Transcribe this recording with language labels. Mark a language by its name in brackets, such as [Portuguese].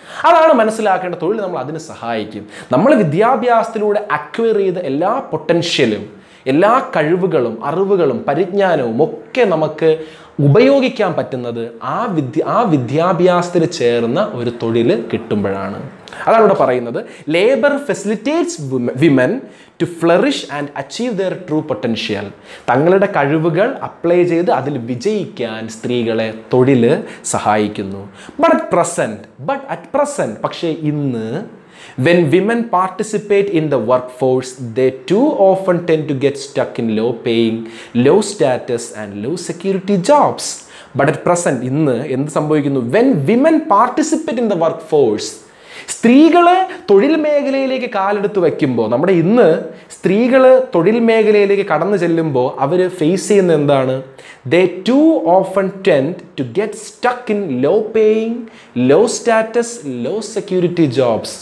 [Malayalam] അതാണ് മനസ്സിലാക്കേണ്ട, തൊഴിൽ നമ്മൾ അതിന് സഹായിക്കും. നമ്മൾ വിദ്യാഭ്യാസത്തിലൂടെ അക്വയർ ചെയ്ത എല്ലാ പൊട്ടൻഷ്യലും, എല്ലാ കഴിവുകളും, അറിവുകളും, പരിജ്ഞാനവും ഒക്കെ നമുക്ക് ഉപയോഗിക്കാൻ പറ്റുന്നത് ആ വിദ്യാഭ്യാസത്തിന് ചേർന്ന ഒരു തൊഴിൽ കിട്ടുമ്പോഴാണ്. അതാണ് ഇവിടെ പറയുന്നത്, [English] Labour facilitates women to flourish and achieve their true potential. [Malayalam] തങ്ങളുടെ കഴിവുകൾ അപ്ലൈ ചെയ്ത് അതിൽ വിജയിക്കാൻ സ്ത്രീകളെ തൊഴിൽ സഹായിക്കുന്നു. [English] but at present [Malayalam] പക്ഷേ ഇന്ന് [English] When women participate in the workforce, they too often tend to get stuck in low-paying, low-status and low-security jobs. But at present, [Malayalam] innu endu sambhavikkunnu, [English] when women participate in the workforce, [Malayalam] സ്ത്രീകളെ തൊഴിൽ മേഖലയിലേക്ക് കാലെടുത്ത് വയ്ക്കുമ്പോൾ, നമ്മുടെ ഇന്ന് സ്ത്രീകൾ തൊഴിൽ മേഖലയിലേക്ക് കടന്നു ചെല്ലുമ്പോൾ അവർ ഫേസ് ചെയ്യുന്ന എന്താണ്? [English] They too often tend to get stuck in low paying, low status, low security jobs.